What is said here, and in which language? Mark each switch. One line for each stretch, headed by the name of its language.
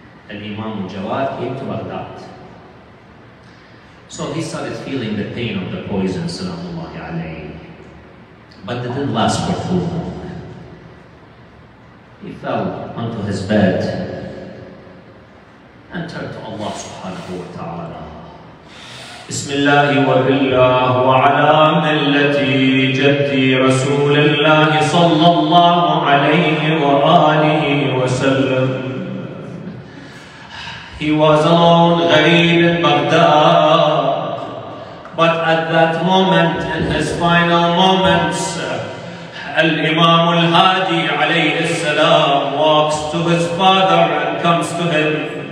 English: Al-Imam al-Jawad came to Baghdad. So he started feeling the pain of the poison, salamullahi alayhi. But it didn't last for full moment. He fell onto his bed and turned to Allah subhanahu wa ta'ala.
Arabic: بسم الله وبالله وعلى ملتي جدي رسول الله صلى الله عليه وآله وسلم.
English: He was alone,
Arabic: غريب
English: in Baghdad. But at that moment, in his final moments, Al-Imam Al-Hadi
Arabic: عليه السلام
English: walks to his father and comes to him.